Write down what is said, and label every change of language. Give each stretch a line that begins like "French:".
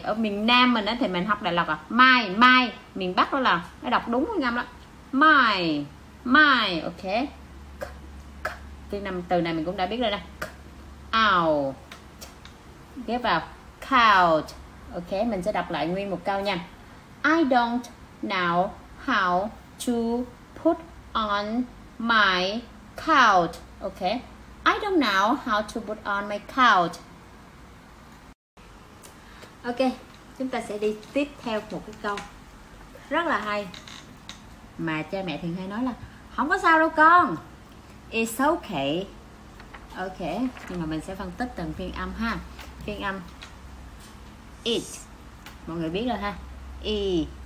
Vietnamese: Ở miền Nam mình thì mình học đại lộc à. My. My. Miền Bắc đó là nó đọc đúng ngâm đó. My. My. Ok. Từ này mình cũng đã biết rồi nè. Ow. Ghép vào. Couch. Ok, mình sẽ đọc lại nguyên một câu nha.
English: I don't know how to put on my couch. Ok. I don't know how to put on my couch.
Vietnamese: Ok, chúng ta sẽ đi tiếp theo một cái câu rất là hay, mà cha mẹ thường hay nói là không có sao đâu con,
English: it's okay.
Vietnamese: Ok, nhưng mà mình sẽ phân tích từng phiên âm ha. Phiên âm it, mọi người biết rồi ha. E.